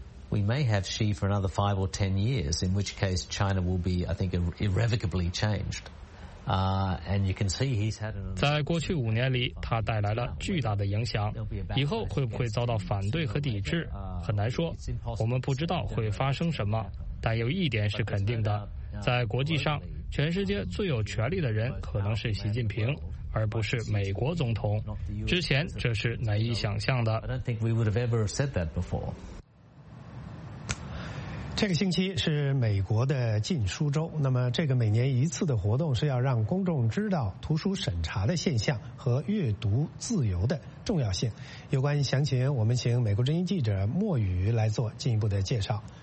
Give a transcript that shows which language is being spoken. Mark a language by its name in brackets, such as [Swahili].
[English] We may have Xi for another 5 or 10 years, in which case China will be, I think, irrevocably changed. And you can see he's had. [Chinese] 在过去五年里，他带来了巨大的影响。以后会不会遭到反对和抵制，很难说。我们不知道会发生什么，但有一点是肯定的：在国际上，全世界最有权力的人可能是习近平，而不是美国总统。之前这是难以想象的。 [English] I don't think we would have ever said that before. [Chinese] 这个星期是美国的禁书周，那么这个每年一次的活动是要让公众知道图书审查的现象和阅读自由的重要性。有关详情，我们请美国之音记者莫宇来做进一步的介绍。